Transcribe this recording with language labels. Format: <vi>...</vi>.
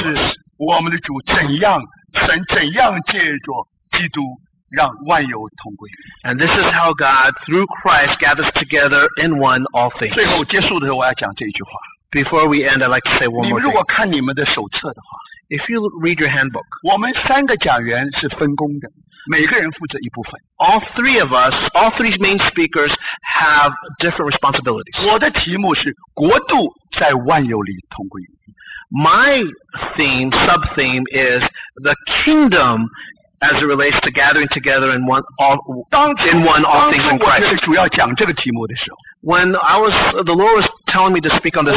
<zh>这就是我们的主怎样,神怎样借着基督让万有同归于一。</zh> <en>And this is how God, through Christ, gathers together in one all things.</en> <zh>最后结束的时候我要讲这一句话。</zh> <en>Before we end, I'd like to say one more thing.</en> <zh>你如果看你们的手册的话,</zh> <en>if you read your handbook,</en> <zh>我们三个讲员是分工的, 每个人负责一部分。</zh> <en>All three of us, all three main speakers have different responsibilities.</en> <zh>我的题目是国度在万有里同归于尽。</zh> <en>My theme, sub-theme, is the kingdom as it relates to gathering together in one, all,</en> <zh>当初,</zh> <en>in one, all things in Christ.</en> <zh>当初我是主要讲这个题目的时候,</zh> <en>when I was, the Lord was telling me to speak on this</en>